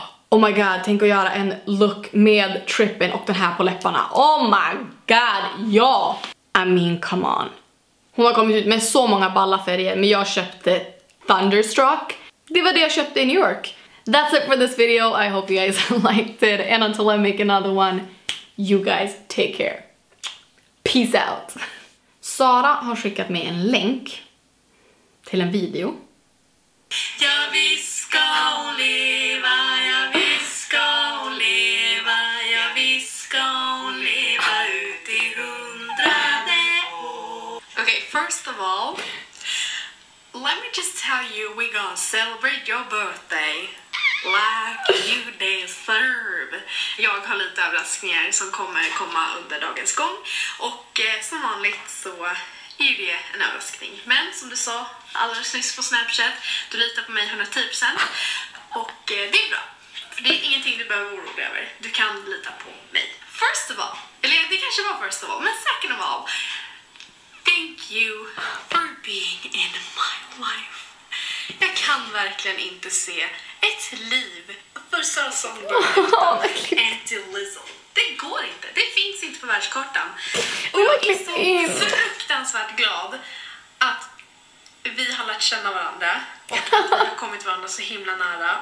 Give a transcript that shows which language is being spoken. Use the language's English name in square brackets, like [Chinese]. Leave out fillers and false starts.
[English] Oh my god, [Swedish] tänk att göra en look med trippen och den här på läpparna. [English] Oh my god, [Swedish] ja! [English] Yeah. I mean, come on. [Swedish] Hon har kommit ut med så många balla färger, men jag köpte Thunderstruck. Det var det jag köpte i New York. [English] That's it for this video, I hope you guys liked it. And until I make another one, you guys take care. Peace out. [Swedish] Sara har skickat mig en länk till en video. ska hon leva, ja visst ska hon leva, ja visst ska hon leva ut i hundrade år. [English] Okay, first of all, let me just tell you, we gonna celebrate your birthday like you deserve. [Swedish] Jag har lite överraskningar som kommer komma under dagens gång. Och som vanligt så är det en överraskning. Men som du sa alldeles nyss på Snapchat, du litar på mig 110%. Och det är bra. För det är ingenting du behöver oroa dig över. Du kan lita på mig. [English] First of all, [Swedish] eller det kanske var [English] first of all, [Swedish] men [English] second of all, thank you for being in my life. [Swedish] Jag kan verkligen inte se ett liv för Sara Sondberg utan Auntie Lizzo. Det går inte. Det finns inte på världskartan. Och jag är så fruktansvärt glad att vi har lärt känna varandra och att vi har kommit varandra så himla nära.